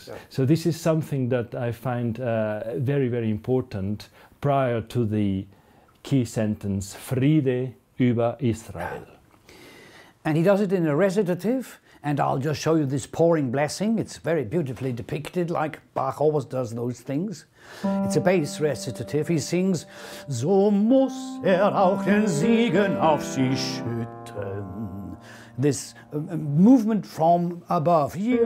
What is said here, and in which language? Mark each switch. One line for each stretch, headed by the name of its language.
English: So this is something that I find very, very important prior to the key sentence,
German: Friede über Israel.
English: And he does it in a recitative, and I'll just show you this pouring blessing. It's very beautifully depicted, like Bach always does those things. It's a bass recitative. He sings,
German: So muss auch den Segen auf sie schütten.
English: This movement from above.